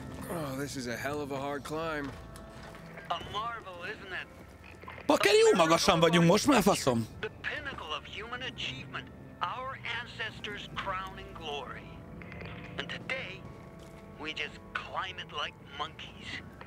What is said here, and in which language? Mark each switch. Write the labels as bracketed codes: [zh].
[en] Oh, this is a hell of a hard climb. A marvel, isn't it? [hu] Bakker, jó magasan vagyunk most már, faszom! [en] The pinnacle of human achievement, our ancestors' crowning glory. And today, we just climb it like monkeys.